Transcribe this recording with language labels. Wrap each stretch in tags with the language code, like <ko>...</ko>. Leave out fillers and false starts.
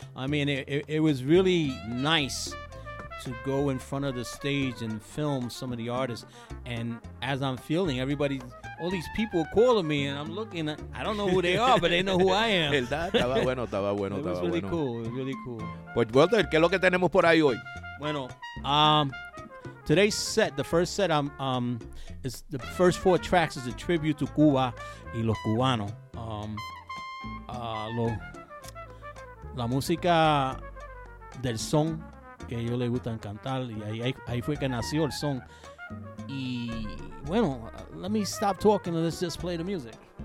<en>I mean, it was really nice to go in front of the stage and film some of the artists. And as I'm feeling, everybody, all these people are calling me, and I'm looking. I don't know who they are, but they know who I am.</en> <es>Estaba bueno.</es> <en>It was really cool. It was really cool.</en> <es>Pues, Walter, ¿qué es lo que tenemos por ahí hoy?</es> <en>Bueno, today's set, the first set, is the first four tracks is a tribute to</en> <es>Cuba y los cubanos. La música del son que yo le gusta cantar, y ahí fue que nació el son. Y bueno,</es> <en>let me stop talking and let's just play the music.</en>